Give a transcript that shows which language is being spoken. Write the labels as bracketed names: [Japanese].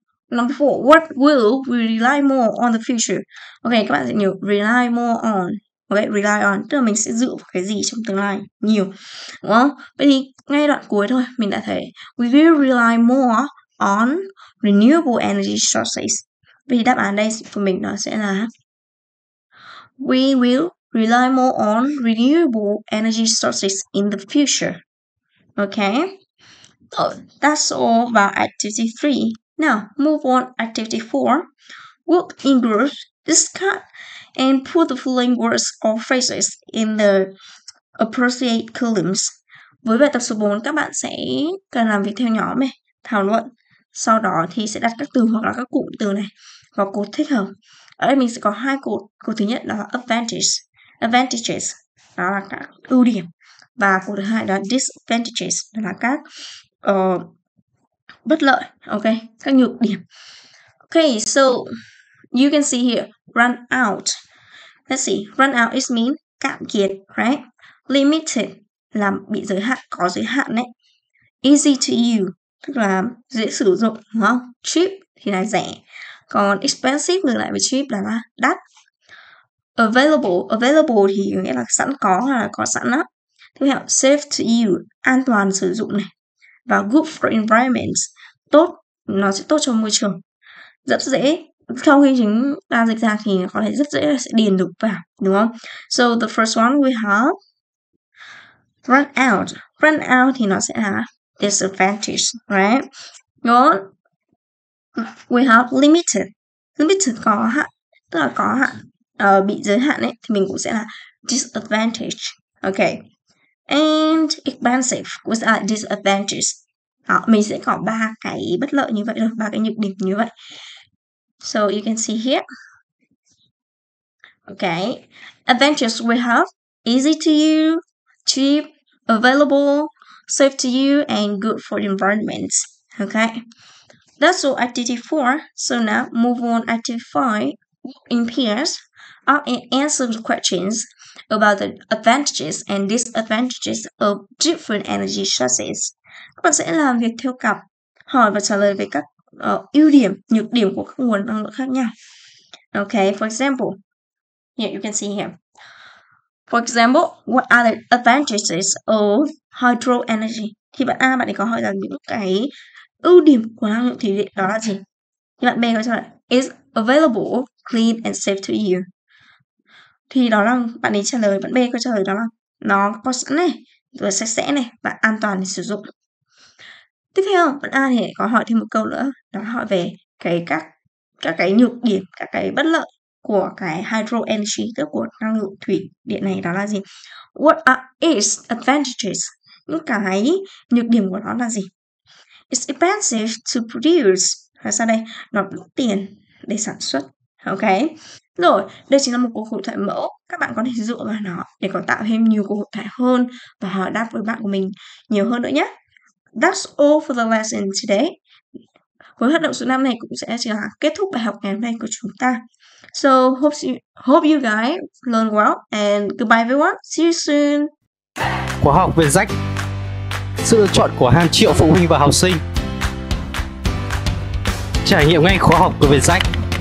[English] Number four, what will we rely more on the future? [Vietnamese] Ok, các bạn sẽ nhớ rely more on. Ok, rely on, tức là mình sẽ dựa vào cái gì trong tương lai nhiều, đúng không? Vậy thì ngay đoạn cuối thôi, mình đã thấy [English] we will rely more on renewable energy sources. [Vietnamese] Vậy thì đáp án đây của mình nó sẽ là [English] we will rely more on renewable energy sources in the future. Ok, so that's all about activity 3. Now, move on activity 4. Work in groups, discuss and put the following words or phrases in the appropriate columns. [Vietnamese] Với bài tập số 4, các bạn sẽ cần làm việc theo nhóm này, thảo luận. Sau đó thì sẽ đặt các từ hoặc là các cụm từ này vào cột thích hợp. Ở đây mình sẽ có hai cột. Cột thứ nhất đó là advantages, đó là các ưu điểm. Và cột thứ hai đó là disadvantages, đó là các bất lợi, ok, các nhược điểm. [English] Ok, so you can see here, run out. Let's see, run out is mean cạn kiệt, right? [Vietnamese] Limited, là bị giới hạn, có giới hạn đấy. Easy to use, tức là dễ sử dụng, đúng không? Cheap thì là rẻ. Còn expensive ngược lại với cheap là đắt. Available thì nghĩa là sẵn có hay là có sẵn á. Tiếp theo, safe to use, an toàn sử dụng này. Và good for environment, tốt, nó sẽ tốt cho môi trường. Rất dễ. Sau khi chúng ta dịch ra thì có thể rất dễ là sẽ điền được vào, đúng không? [English] So the first one we have run out. [Vietnamese] Run out thì nó sẽ là disadvantage, right? [English] Then we have limited. [Vietnamese] Limited có hạn, tức là có hạn, bị giới hạn ấy, thì mình cũng sẽ là disadvantage. Okay. And expensive cũng sẽ là disadvantage. Đó, mình sẽ có ba cái bất lợi như vậy thôi, ba cái nhược điểm như vậy. [English] So you can see here. Okay. Advantages we have easy to use, cheap, available, safe to you and good for the environment. Okay. That's all activity 4. So now move on activity 5. In pairs, up and answer the questions about the advantages and disadvantages of different energy sources. [Vietnamese] Các bạn sẽ làm việc theo cặp, hỏi và trả lời về các ưu điểm, nhược điểm của các nguồn năng lượng khác nhau. [English] Okay, for example, here you can see here. For example, what are the advantages of hydro energy? [Vietnamese] Thì bạn A, bạn ấy có hỏi là những cái ưu điểm của năng lượng thủy điện đó là gì? Thì bạn B có trả lời, [English] is available, clean and safe to you. [Vietnamese] Thì đó là bạn ấy trả lời, bạn B có trả lời đó là nó có sẵn này, rồi sạch sẽ này và an toàn để sử dụng. Tiếp theo, bạn A thì có hỏi thêm một câu nữa, đó là hỏi về các cái nhược điểm, các cái bất lợi của cái hydro energy, tức của năng lượng thủy điện này đó là gì? [English] What are its advantages? [Vietnamese] Những cái nhược điểm của nó là gì? [English] It's expensive to produce. [Vietnamese] Và sau đây, nó đắt tiền để sản xuất. Ok. Rồi, đây chính là một cuộc hội thoại mẫu. Các bạn có thể dựa vào nó để có tạo thêm nhiều cuộc hội thoại hơn và hỏi đáp với bạn của mình nhiều hơn nữa nhé. [English] That's all for the lesson today. [Vietnamese] Với hoạt động số 5 này cũng sẽ chỉ là kết thúc bài học ngày hôm nay của chúng ta. [English] So, hope you guys learn well and goodbye everyone. See you soon. [Vietnamese] Khóa học VietJack. Sự lựa chọn của hàng triệu phụ huynh và học sinh. Trải nghiệm ngay khóa học của VietJack.